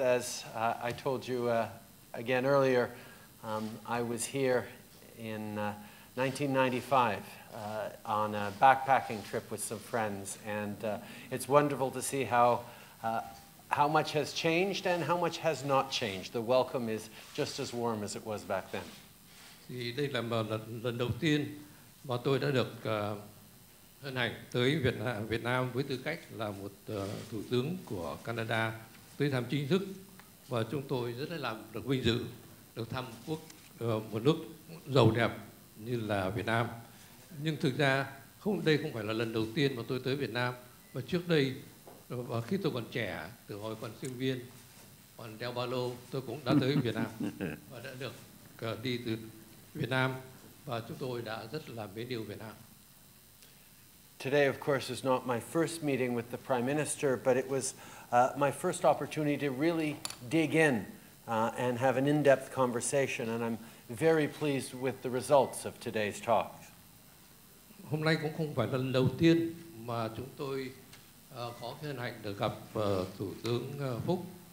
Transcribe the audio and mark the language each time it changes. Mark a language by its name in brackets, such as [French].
[English] As I told you again earlier, I was here in 1995 on a backpacking trip with some friends. And it's wonderful to see how much has changed and how much has not changed. The welcome is just as warm as it was back then. [Vietnamese] Đây là lần đầu tiên mà tôi đã được hân hạnh tới Việt Nam với tư cách là một thủ tướng của Canada tới thăm chính thức, và chúng tôi rất là được vinh dự được thăm một nước giàu đẹp như là Việt Nam. Nhưng thực ra đây không phải là lần đầu tiên mà tôi tới Việt Nam, và trước đây khi tôi còn trẻ, từ hồi còn sinh viên còn đeo ba lô, tôi cũng đã tới Việt Nam và đã được đi từ Việt Nam, và chúng tôi đã rất là mến yêu Việt Nam. [English] Today, of course, is not my first meeting with the Prime Minister, but it was my first opportunity to really dig in and have an in-depth conversation, and I'm very pleased with the results of today's talk. [Vietnamese] Hôm nay cũng không phải lần đầu tiên mà chúng tôi có hân hạnh được gặp Thủ tướng Phúc.